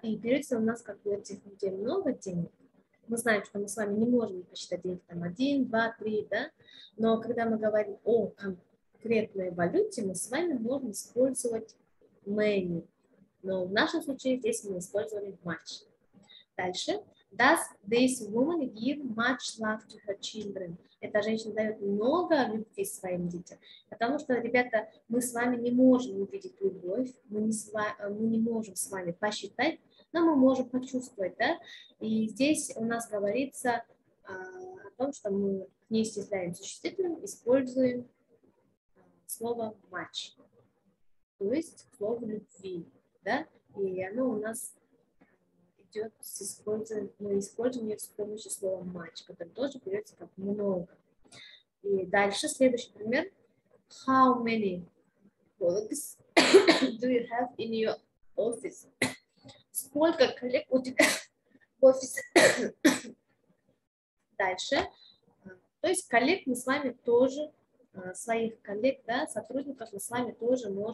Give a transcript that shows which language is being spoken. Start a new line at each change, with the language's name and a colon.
Russian: И берется у нас, как у этих людей много денег. Мы знаем, что мы с вами не можем посчитать денег там 1, 2, 3, да? Но когда мы говорим о конкретной валюте, мы с вами можем использовать many. Но в нашем случае здесь мы использовали much. Дальше.
English: Does this woman give much love to her children?
Russian: Эта женщина дает много любви своим детям. Потому что, ребята, мы с вами не можем увидеть любовь, мы не можем с вами посчитать, но мы можем почувствовать, да? И здесь у нас говорится о том, что мы не исчисляем существительным, используем слово much, то есть слово любви, да? И оно у нас... Мы используем ее с помощью слова much, который тоже берется как много. И дальше, следующий пример.
English: How many colleagues do you have in your office?
Russian: Сколько коллег у тебя в офисе? Дальше. То есть коллег мы с вами тоже, своих коллег, да, сотрудников мы с вами тоже можем.